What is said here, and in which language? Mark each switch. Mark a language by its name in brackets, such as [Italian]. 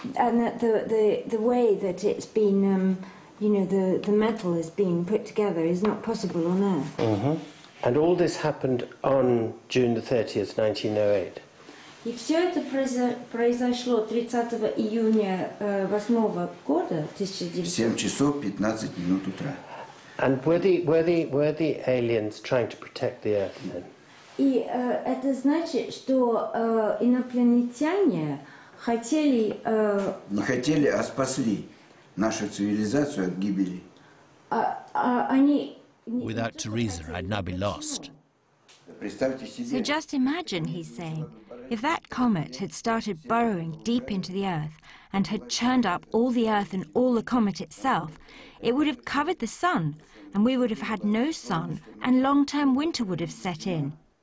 [English] And that the way that it's been, the metal is being put together is not possible on Earth. And all this happened on June the 30th, 1908. [Russian] И все это произошло 30 июня 8 года 1908. 7:15 утра. [English] And were the aliens trying to protect the Earth then? [Russian] И это значит, что инопланетяне хотели не хотели, а спасли нашу цивилизацию от гибели. Они. [English] Without Teresa, I'd now be lost. So just imagine, he's saying, if that comet had started burrowing deep into the Earth and had churned up all the Earth and all the comet itself, it would have covered the sun, and we would have had no sun, and long-term winter would have set in.